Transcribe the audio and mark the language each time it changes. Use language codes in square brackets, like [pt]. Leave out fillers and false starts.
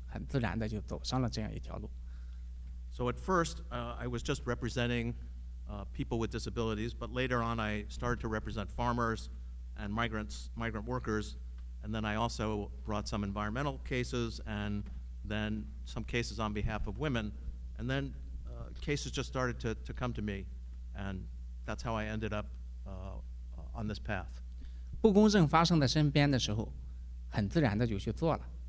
[zh] 这样一开始做呢，开始是残疾人，后来就是农民啊，这个还有农民工啊，还有其他的一些环保问题啊，还有一些妇女等各方面的问题，便怎么说呢，就全部都来了，所以说就很自然的就走上了这样一条路。So [en] at first, I was just representing people with disabilities, but later on, I started to represent farmers and migrant workers, and then I also brought some environmental cases, and then some cases on behalf of women, and then cases just started to come to me, and that's how I ended up on this path. [zh] 不公正发生在身边的时候，很自然的就去做了。